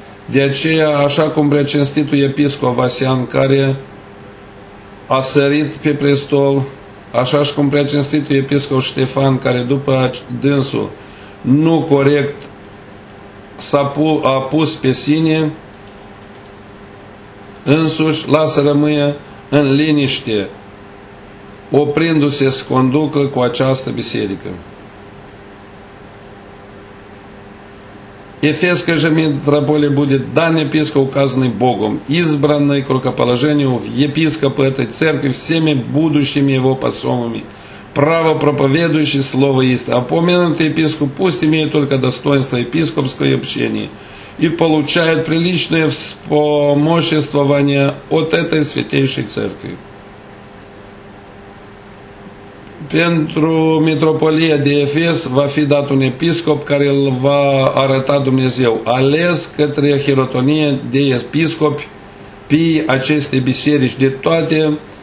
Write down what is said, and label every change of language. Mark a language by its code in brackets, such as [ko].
[ro] De aceea, așa cum preacinstitul episcop Vasian, care a sărit pe prestol, așa și cum preacinstitul episcop Ștefan, care după dânsul nu corect a pus pe sine însuși, lasă rămâie în liniște, oprindu-se să conducă cu această biserică. [ru] Ефеска же митрополия будет дан епископ, указанный Богом, избранный к рукоположению в епископы этой церкви всеми будущими его посомами, право проповедующий слово истины. Опомянутый епископ пусть имеет только достоинство епископского общения и получает приличное вспомоществование от этой святейшей церкви. [ro] Pentru mitropolia de Efes va fi dat un episcop care îl va arăta Dumnezeu, ales către hierotonie de episcopi pe aceste biserici, de toate